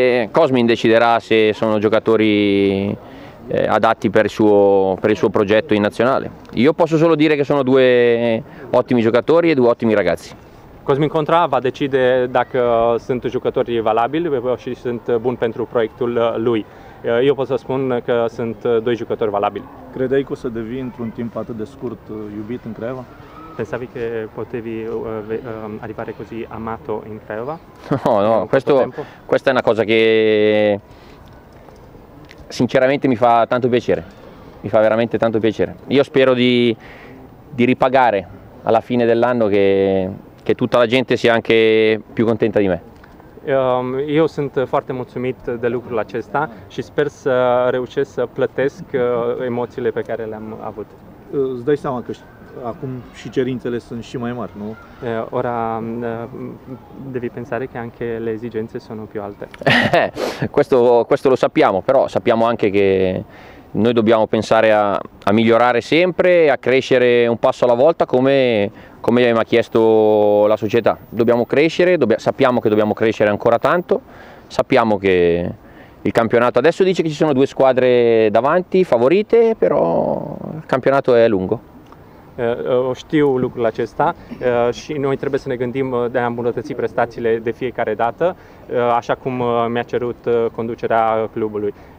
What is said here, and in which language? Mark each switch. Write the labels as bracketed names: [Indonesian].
[Italian] Cosmin deciderà se sono giocatori adatti per il suo progetto in nazionale. Io posso solo dire che sono due ottimi giocatori e due ottimi ragazzi. [Romanian] Cosmin Contra va decide dacă sunt giocatori valabili și sunt buni pentru proiectul lui. Eu pot să spun că sunt doi jucători valabili. Credeai că o să devii într-un timp atât de scurt iubit în Craiova? [Italian] Pensavi che potevi arrivare così amato in Craiova? No, questa è una cosa che sinceramente mi fa tanto piacere. Mi fa veramente tanto piacere. Io spero di ripagare alla fine dell'anno che tutta la gente sia anche più contenta di me. [Romanian] Eu sunt foarte mulțumit de lucrul acesta și sper să reușesc să plătesc emoțiile pe care le-am avut. Îți dai seama că acum și cerințele sunt și mai mari, nu? [Italian] Ora devi pensare che anche le esigenze sono più alte. Questo lo sappiamo, però sappiamo anche che noi dobbiamo pensare a migliorare sempre, a crescere un passo alla volta come mi ha chiesto la società. Dobbiamo crescere, sappiamo che dobbiamo crescere ancora tanto, sappiamo che il campionato adesso dice che ci sono due squadre davanti, favorite, però il campionato è lungo. [Romanian] Știu lucrul acesta și noi trebuie să ne gândim de a îmbunătăți prestațiile de fiecare dată, așa cum mi-a cerut conducerea clubului.